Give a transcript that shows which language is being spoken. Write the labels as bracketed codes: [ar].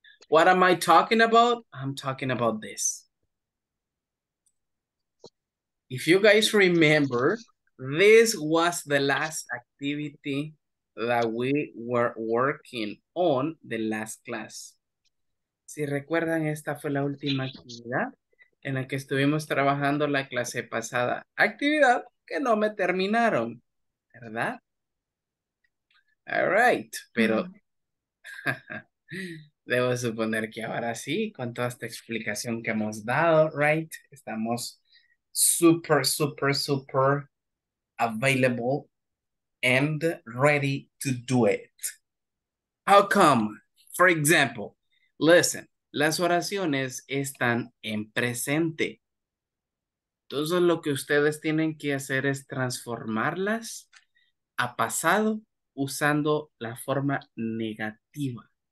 [en] What am I talking about? I'm talking about this. If you guys remember, this was the last activity that we were working on the last class. [es] Si recuerdan, esta fue la última actividad en la que estuvimos trabajando la clase pasada. Actividad que no me terminaron, ¿verdad? [en] All right, pero... [es] Debo suponer que ahora sí, con toda esta explicación que hemos dado, right? [en] Estamos super, super, super available and ready to do it. How come? For example, listen, [es] las oraciones están en presente. Todo lo que ustedes tienen que hacer es transformarlas a pasado usando la forma negativa.